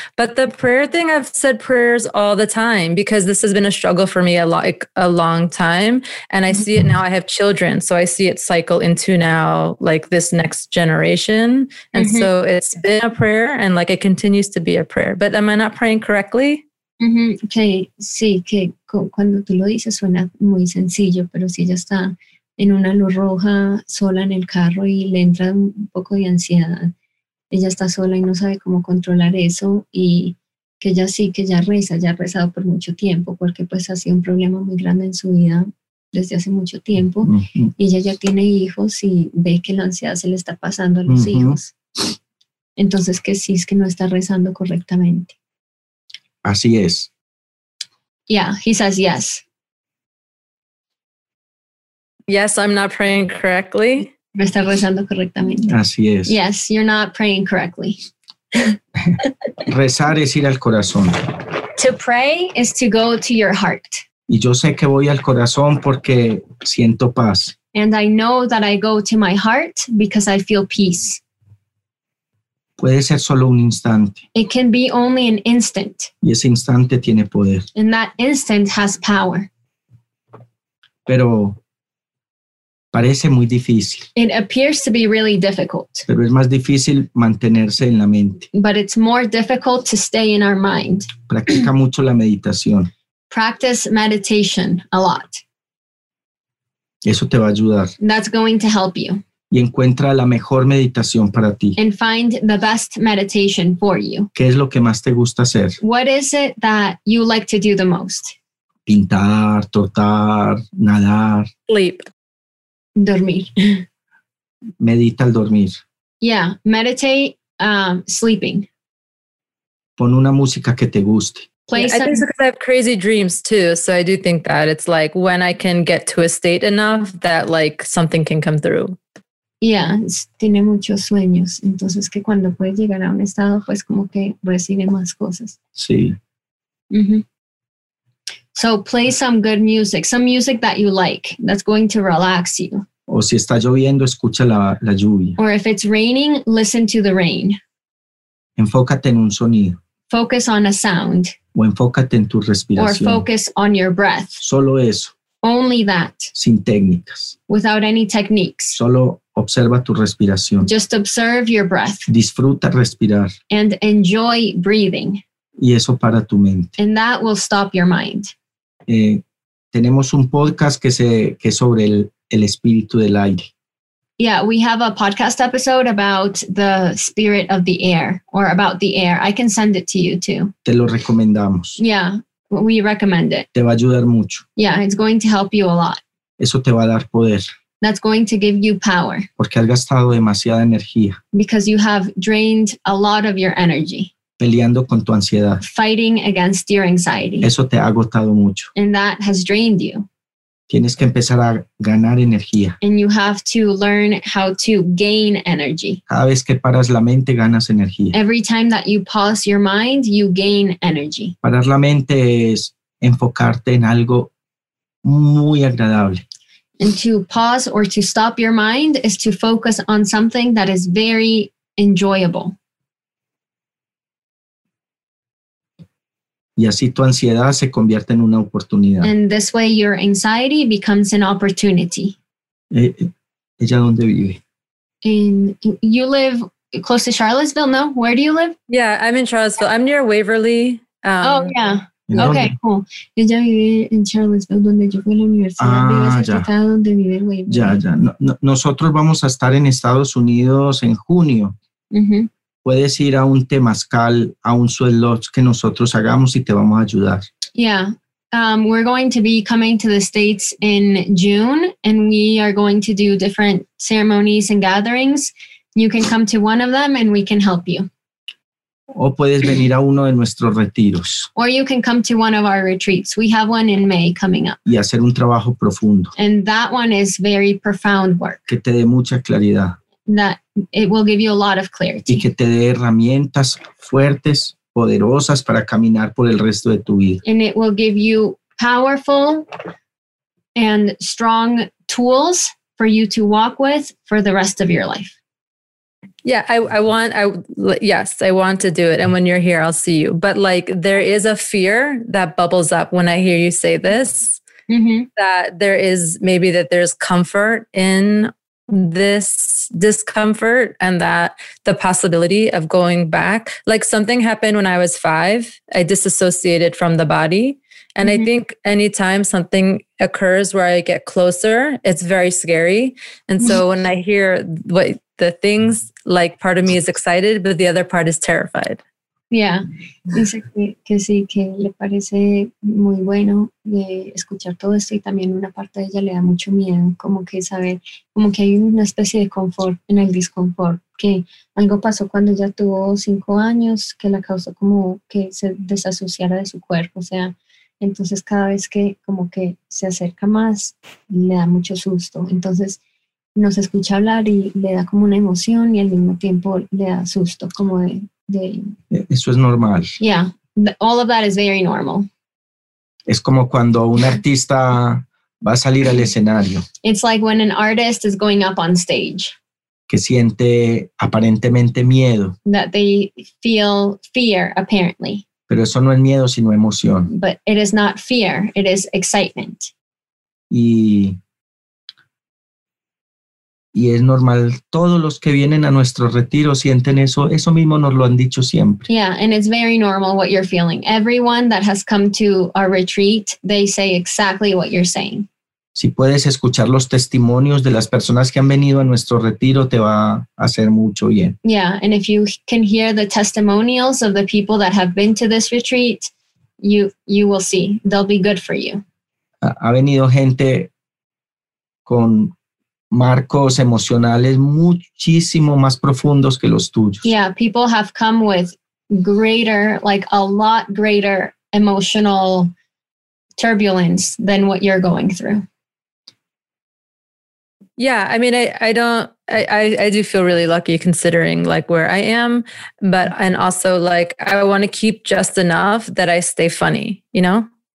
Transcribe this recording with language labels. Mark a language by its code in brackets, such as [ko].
[en] But the prayer thing, I've said prayers all the time because this has been a struggle for me a long time. And I see it now. I have children. So I see it cycle into now like this next generation. And mm-hmm. So it's been a prayer and like it continues to be a prayer. But am I not praying correctly? Mm-hmm. Okay. [es] Sí, que cuando tú lo dices suena muy sencillo, pero sí ya está en una luz roja sola en el carro y le entra un poco de ansiedad. Ella está sola y no sabe cómo controlar eso y que ella sí, que ya ha rezado por mucho tiempo porque pues ha sido un problema muy grande en su vida desde hace mucho tiempo. Uh-huh. Y ella ya tiene hijos y ve que la ansiedad se le está pasando a los uh-huh. hijos. Entonces que sí, es que no está rezando correctamente. Así es. [en] Yeah, he says yes. Yes, I'm not praying correctly. [es] Me está rezando correctamente. Así es. [en] Yes, you're not praying correctly. [es] Rezar es ir al corazón. [en] To pray is to go to your heart. [es] Y yo sé que voy al corazón porque siento paz. [en] And I know that I go to my heart because I feel peace. [es] Puede ser solo un instante. [en] It can be only an instant. [es] Y ese instante tiene poder. [en] And that instant has power. [es] Pero parece muy difícil. [en] It appears to be really difficult. [es] Pero es más difícil mantenerse en la mente. [en] But it's more difficult to stay in our mind. [es] Practica mucho la meditación. [en] Practice meditation a lot. [es] Eso te va a ayudar. [en] That's going to help you. [es] Y encuentra la mejor meditación para ti. [en] And find the best meditation for you. [es] ¿Qué es lo que más te gusta hacer? [en] What is it that you like to do the most? [es] Pintar, trotar, nadar. [en] Sleep. [es] Dormir. Medita al dormir. [en] Yeah, meditate sleeping. [es] Pon una música que te guste. [en] Yeah, I think it's because I have crazy dreams too. So I do think that it's like when I can get to a state enough that like something can come through. [es] Yeah, tiene muchos sueños. Entonces que cuando puede llegar a un estado, pues como que recibe más cosas. Sí. Mm-hmm. [en] So play some good music, some music that you like. That's going to relax you. [es] O si está lloviendo, escucha la lluvia. [en] Or if it's raining, listen to the rain. [es] Enfócate en un sonido. [en] Focus on a sound. [es] O enfócate en tu respiración. [en] Or focus on your breath. [es] Solo eso. [en] Only that. [es] Sin técnicas. [en] Without any techniques. [es] Solo observa tu respiración. [en] Just observe your breath. [es] Disfruta respirar. [en] And enjoy breathing. [es] Y eso para tu mente. [en] And that will stop your mind. [es] Tenemos un podcast que es sobre el espíritu del aire. [en] Yeah, we have a podcast episode about the spirit of the air, or about the air. I can send it to you too. [es] Te lo recomendamos. [en] Yeah, we recommend it. [es] Te va a ayudar mucho. [en] Yeah, it's going to help you a lot. [es] Eso te va a dar poder. [en] That's going to give you power. [es] Porque has gastado demasiada energía. [en] Because you have drained a lot of your energy. [es] Peleando con tu ansiedad. [en] Fighting against your anxiety. [es] Eso te ha agotado mucho. [en] And that has drained you. [es] Tienes que empezar a ganar energía. [en] And you have to learn how to gain energy. [es] Cada vez que paras la mente, ganas energía. [en] Every time that you pause your mind, you gain energy. [es] Parar la mente es enfocarte en algo muy agradable. [en] And to pause or to stop your mind is to focus on something that is very enjoyable. [es] Y así tu ansiedad se convierte en una oportunidad. [en] And this way your anxiety becomes an opportunity. [es] ¿Ella dónde vive? [en] You live close to Charlottesville, no? Where do you live? Yeah, I'm in Charlottesville. I'm near Waverly. Okay, cool. [es] Ella vive en Charlottesville, donde yo fui a la universidad. Ah, vive ya. Ya, ya. No, nosotros vamos a estar en Estados Unidos en junio. Mm-hmm. Puedes ir a un temazcal, a un [en] sweat lodge [es] que nosotros hagamos y te vamos a ayudar. [en] Yeah, we're going to be coming to the States in June and we are going to do different ceremonies and gatherings. You can come to one of them and we can help you. [es] O puedes venir a uno de nuestros retiros. [en] Or you can come to one of our retreats. We have one in May coming up. [es] Y hacer un trabajo profundo. [en] And that one is very profound work. [es] Que te dé mucha claridad. [en] That it will give you a lot of clarity. [es] Y que te dé herramientas fuertes, poderosas para caminar por el resto de tu vida. [en] And it will give you powerful and strong tools for you to walk with for the rest of your life. Yeah, I want to do it. And when you're here, I'll see you. But like, there is a fear that bubbles up when I hear you say this, mm-hmm. that there is maybe that there's comfort in this discomfort and that the possibility of going back. Like something happened when I was 5, I disassociated from the body. And mm-hmm. I think anytime something occurs where I get closer, it's very scary. And so when I hear what the things, like part of me is excited, but the other part is terrified. Yeah. [es] Dice que sí, que le parece muy bueno de escuchar todo esto y también una parte de ella le da mucho miedo, como que saber, como que hay una especie de confort en el disconfort, que algo pasó cuando ella tuvo 5 años que la causó como que se desasociara de su cuerpo, o sea, entonces cada vez que como que se acerca más le da mucho susto, entonces nos escucha hablar y le da como una emoción y al mismo tiempo le da susto, como de... Eso es normal. [en] Yeah, all of that is very normal. [es] Es como cuando un artista va a salir al escenario. [en] It's like when an artist is going up on stage. [es] Que siente aparentemente miedo. [en] That they feel fear, apparently. [es] Pero eso no es miedo, sino emoción. [en] But it is not fear, it is excitement. [es] Y es normal, todos los que vienen a nuestro retiro sienten eso, eso mismo nos lo han dicho siempre. [en] Yeah, and it's very normal what you're feeling. Everyone that has come to our retreat, they say exactly what you're saying. [es] Si puedes escuchar los testimonios de las personas que han venido a nuestro retiro, te va a hacer mucho bien. [en] Yeah, and if you can hear the testimonials of the people that have been to this retreat, you will see, they'll be good for you. [es] Ha venido gente con marcos emocionales muchísimo más profundos que los tuyos. [en] Yeah, people have come with greater, like a lot greater emotional turbulence than what you're going through. Yeah, I mean, I do feel really lucky considering like where I am, but, and also like, I want to keep just enough that I stay funny, you know?